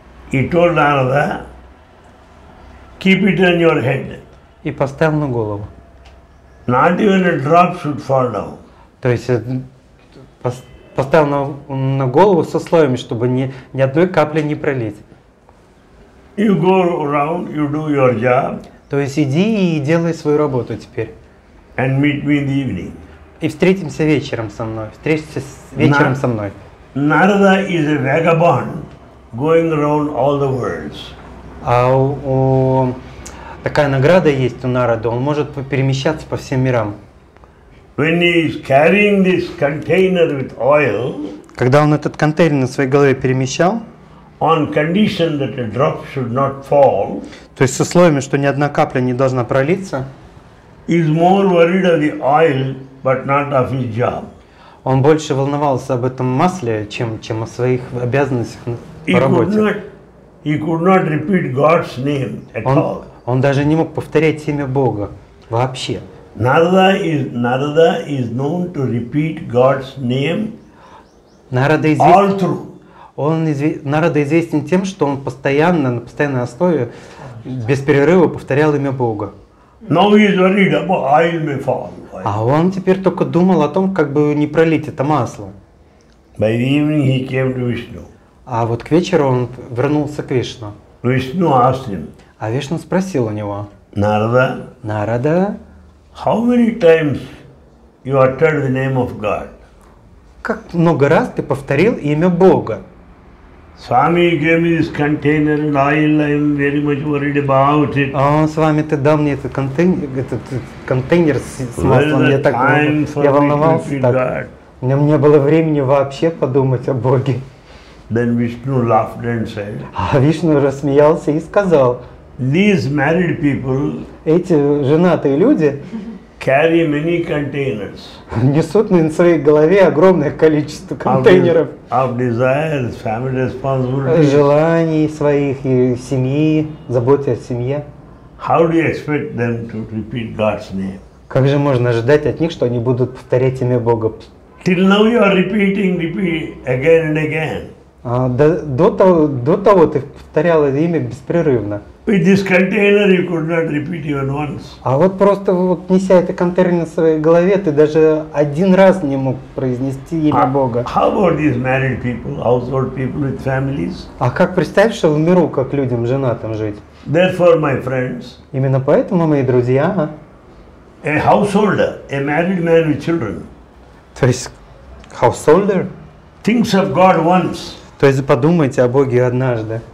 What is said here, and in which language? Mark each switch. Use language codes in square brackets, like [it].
[en] He told Narada, keep it on your head. [ru] И поставил на голову. [en] Not even a drop should fall down. [ru] То есть поставил на голову с условием, чтобы ни одной капли не пролить. [en] You go around, you do your job. [ru] То есть иди и делай свою работу теперь. [en] And meet me in the evening. [ru] И встретимся вечером со мной. Встретимся вечером со мной. [en] Narada is a vagabond going around all the worlds. [ru] А у такая награда есть у Нарады, он может перемещаться по всем мирам. [en] When he is carrying this container with oil. [ru] Когда он этот контейнер на своей голове перемещал. [en] On condition that a drop should not fall. [ru] То есть с условием, что ни одна капля не должна пролиться. [en] Is more worried of the oil, but not of his job. [ru] Он больше волновался об этом масле, чем о своих обязанностях по работе. [en] He could not repeat God's name at all. [ru] Он даже не мог повторять имя Бога вообще. [en] Narada is known to repeat God's name. Narada is all through. [ru] Нарада известен тем, что он постоянно, на постоянной основе, без перерыва повторял имя Бога. [en] Now he is worried about oil may fall. [ru] А он теперь только думал о том, как бы не пролить это масло. [en] By the evening he came to Vishnu. [ru] А вот к вечеру он вернулся к Вишну. [en] Vishnu asked him. [ru] А Вишну спросил у него. [en] Narada. Narada. How many times you uttered the name of God. [ru] Как много раз ты повторил имя Бога? [en] Swami gave me this container and oil. I am very much worried about it. [ru] Swami, ты дал мне этот контейнер с маслом. Я так много, я волновался так. У меня не было времени вообще подумать о Боге. [en] Then Vishnu laughed and said. [ru] А Вишну рассмеялся и сказал. [en] These married people. [ru] Эти женатые люди. [en] Carry many containers. [ru] Несут на своей голове огромное количество контейнеров. [en] Of desires, family responsibilities. [ru] Желаний своих и семьи, заботы о семье. [en] How do you expect them to repeat God's name? [ru] Как же можно ожидать от них, что они будут повторять имя Бога? [en] Till now you are repeat again and again. [ru] До того ты повторял это имя беспрерывно. [en] With this container you could not repeat even once. [ru] А вот просто вот неся этот контейнер в своей голове, ты даже один раз не мог произнести имя Бога. [en] How about these married people, household people with families? [ru] А как представь, что в миру как людям женатым жить? [en] Therefore, my friends. [ru] Именно поэтому, мои друзья. [en] A householder, a married man with children. [ru] То есть householder. [en] Thinks of God once. [ru] То есть подумайте о Боге однажды.